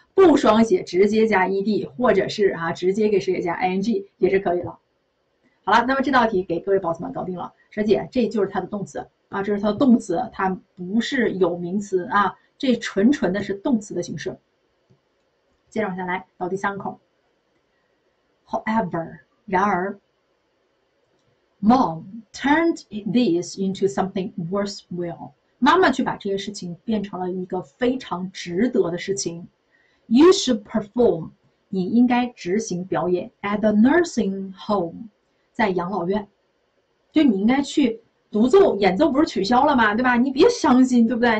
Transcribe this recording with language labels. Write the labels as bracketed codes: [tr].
[zh] 不双写直接加 ed，或者是啊直接给学姐加 ing 也是可以了。好了，那么这道题给各位宝子们搞定了。学姐，这就是它的动词。啊，这是它的动词，它不是有名词啊，这纯纯的是动词的形式。接着往下来，到第三个空。 [en] However， [zh] 然而， [en] Mom turned this into something worthwhile。 [zh] 妈妈去把这些事情变成了一个非常值得的事情。 [en] You should perform， [zh] 你应该执行表演。 [en] At the nursing home， [zh] 在养老院，就你应该去。独奏演奏不是取消了吗？对吧？你别伤心，对不对？